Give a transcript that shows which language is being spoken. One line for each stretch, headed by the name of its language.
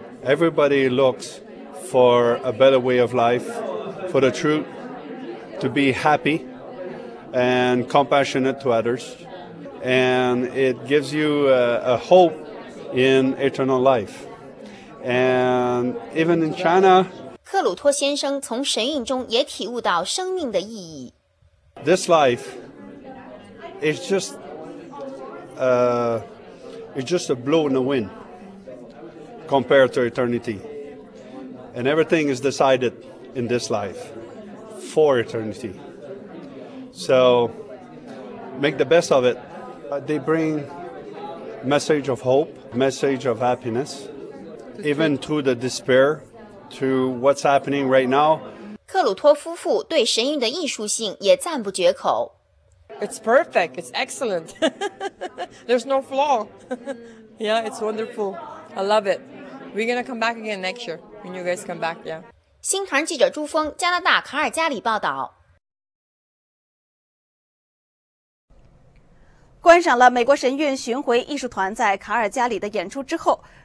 English: Everybody looks for a better way of life, for the truth, to be happy and compassionate to others, and it gives you a hope in eternal life. And even in China,
Chinese: 克鲁托先生从神韵中也体悟到生命的意义。
English: This life is just it's just a blow in the wind compared to eternity, and everything is decided in this life for eternity. So make the best of it. They bring message of hope, message of happiness, even to the despair, to what's happening right now.
Chinese: 克鲁托夫妇对神韵的艺术性也赞不绝口。
English: It's perfect. It's excellent. There's no flaw. Yeah, it's wonderful. I love it. We're going to come back again next year when you guys come back. Yeah.
Chinese: 新唐记者朱峰，加拿大卡尔加里报道。观赏了美国神韵巡回艺术团在卡尔加里的演出之后，